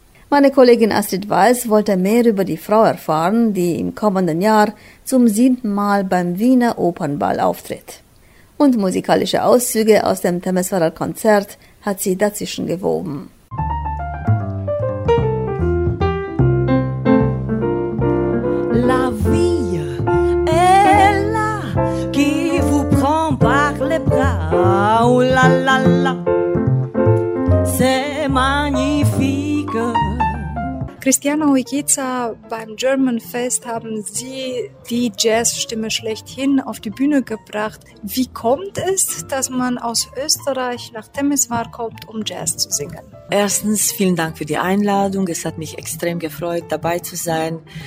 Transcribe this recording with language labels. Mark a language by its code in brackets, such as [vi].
[de] Meine Kollegin Astrid Weiß wollte mehr über die Frau erfahren, die im kommenden Jahr zum 7. Mal beim Wiener Opernball auftritt. Und musikalische Auszüge aus dem Temeswarer Konzert hat sie dazwischen gewoben. [fr] La vie est là, qui vous prend par les bras. Oh la la la, c'est magnifique. [de] Christiana Ujkica, beim German Fest haben Sie die Jazzstimme schlechthin auf die Bühne gebracht. Wie kommt es, dass man aus Österreich nach Temeswar kommt, um Jazz zu singen? Erstens, vielen Dank für die Einladung. Es hat mich extrem gefreut, dabei zu sein.